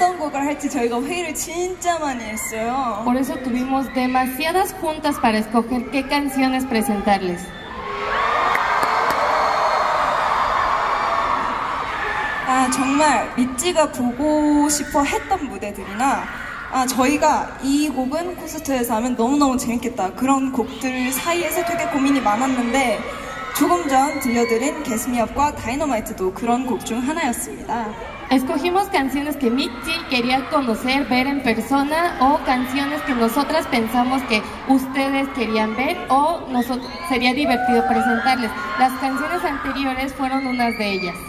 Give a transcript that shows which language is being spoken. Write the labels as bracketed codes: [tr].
[es] Por eso tuvimos demasiadas juntas para escoger qué canciones presentarles. [ko] 아, 정말 믿지가 보고 싶어 했던 무대들이나 아, 저희가 이 곡은 콘서트에서 하면 너무너무 재밌겠다 그런 곡들 사이에서 되게 고민이 많았는데 조금 전 들려드린 Gas Me Up과 Dynamite도 그런 곡 중 하나였습니다. [es] Escogimos canciones que Michi quería conocer, ver en persona o canciones que nosotras pensamos que ustedes querían ver o sería divertido presentarles. Las canciones anteriores fueron unas de ellas.